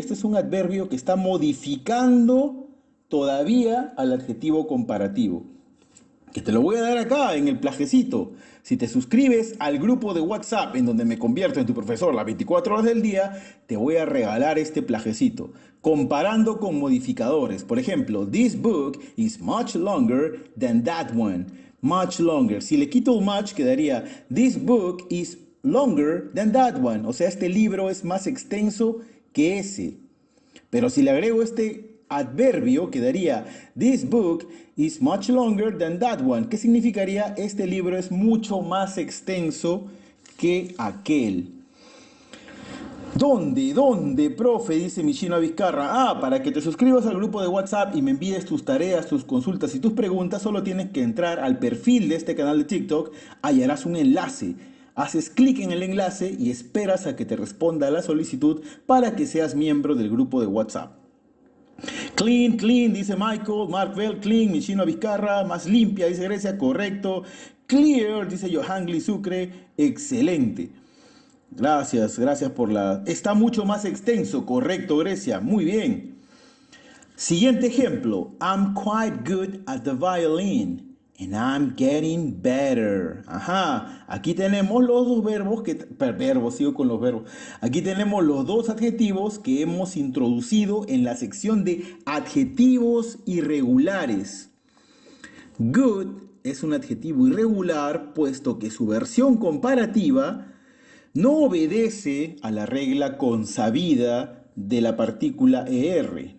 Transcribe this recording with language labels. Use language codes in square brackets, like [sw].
[es] Este es un adverbio que está modificando todavía al adjetivo comparativo. Que te lo voy a dar acá en el plajecito. Si te suscribes al grupo de WhatsApp en donde me convierto en tu profesor las 24 horas del día, te voy a regalar este plajecito. Comparando con modificadores. Por ejemplo, [en] this book is much longer than that one. Much longer. [es] Si le quito un much, quedaría [en] this book is longer than that one. [es] O sea, este libro es más extenso que ese. Pero si le agrego este adverbio quedaría, [en] this book is much longer than that one. [es] ¿Qué significaría? Este libro es mucho más extenso que aquel. ¿Dónde? ¿Dónde, profe? Dice mi chino a Vizcarra. Ah, para que te suscribas al grupo de WhatsApp y me envíes tus tareas, tus consultas y tus preguntas, solo tienes que entrar al perfil de este canal de TikTok, hallarás un enlace. Haces clic en el enlace y esperas a que te responda la solicitud para que seas miembro del grupo de WhatsApp. Clean, clean, dice Michael, Mark Bell, clean, mi chino Vizcarra, más limpia, dice Grecia, correcto, clear, dice Johanly Sucre, excelente. Gracias, gracias por la. Está mucho más extenso, correcto, Grecia, muy bien. Siguiente ejemplo, [en] I'm quite good at the violin and I'm getting better. [es] Ajá, aquí tenemos los dos verbos que. Verbos, sigo con los verbos. Aquí tenemos los dos adjetivos que hemos introducido en la sección de adjetivos irregulares. Good es un adjetivo irregular, puesto que su versión comparativa no obedece a la regla consabida de la partícula er.